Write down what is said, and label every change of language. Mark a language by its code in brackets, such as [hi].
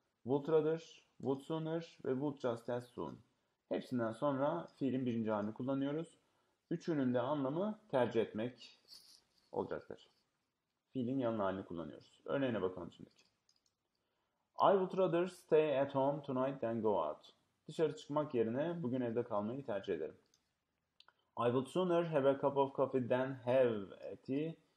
[en] Would rather, would sooner ve would just as soon. [tr] Hepsinden sonra fiilin birinci halini kullanıyoruz. Üçünün de anlamı tercih etmek olacaktır. Fiilin yan halini kullanıyoruz. Örneğine bakalım şimdi. [en] I would rather stay at home tonight than go out. [tr] Dışarı çıkmak yerine bugün evde kalmayı tercih ederim. [en] I would sooner have a cup of coffee than have tea.